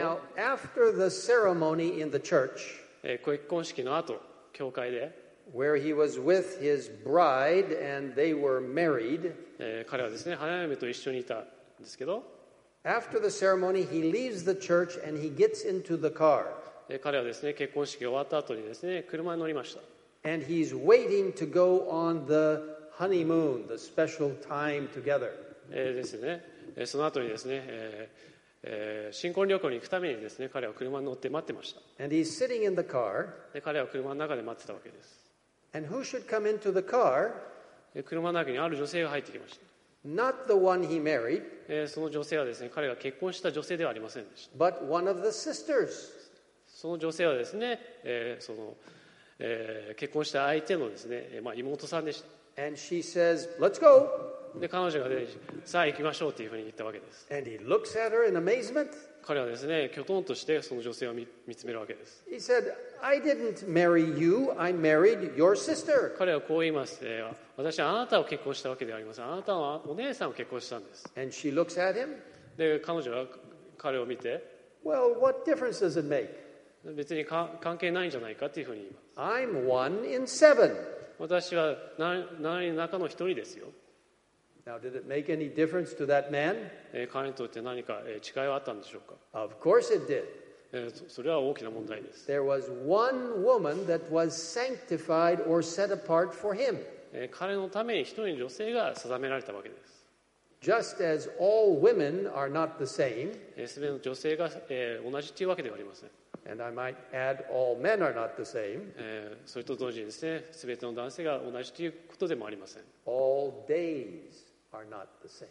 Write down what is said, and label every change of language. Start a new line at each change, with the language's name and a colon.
English: Now, after the ceremony in the church,
Japanese: 結婚式の後、教会で、
English: where he was with his bride and they were married,
Japanese: 彼はですね、花嫁と一緒にいたんですけど、
English: after the ceremony, he leaves the church and he gets into the car.
Japanese: 彼はですね、結婚式が終わった後にですね、車に乗りました。
English: And he's waiting to go on the honeymoon, the special time together.
Japanese: ですね。その後にですね、新婚旅行に行くためにですね、彼は車に乗って待ってました。
English: And he's sitting in the car.
Japanese: で、彼は車の中で待ってたわけです。
English: And who should come into the car?
Japanese: 車の中にある女性が入ってきました。
English: Not the one he married.
Japanese: その女性はですね、彼が結婚した女性ではありませんでした。
English: But one of the sisters.
Japanese: その女性はですね、その結婚した相手のですね、まあ、妹さんでした。
English: And she says, "Let's go."
Japanese: で彼女が、ね、さあ行きましょうというふうに言ったわけです。
English: And he looks at her in amazement.
Japanese: 彼はですね、キョトンとしてその女性を 見つめるわけです。
English: He said, "I didn't marry you. I married your sister."
Japanese: 彼はこう言います。私はあなたを結婚したわけではありません。あなたはお姉さんを結婚したんです。
English: And she looks at him.
Japanese: で彼女は彼を見て、
English: Well, what difference does it make?
Japanese: 別に関係ないんじゃないかというふうに言います。
English: I'm one in seven.
Japanese: 私は何人の中の一人ですよ。
English: Now, did it make any difference to that man?
Japanese: 彼にとって何か違いはあったんでしょうか?
English: Of course it did.
Japanese: それは大きな問題です。
English: There was one woman that was sanctified or set apart for him.
Japanese: 彼のために一人の女性が定められたわけです。
English: Just as all women are not the same.
Japanese: 全ての女性が同じというわけではありません。
English: And I might add, all men are not the same.
Japanese: それと同時にですね、すべての男性が同じということでもありません。
English: All days are not the same.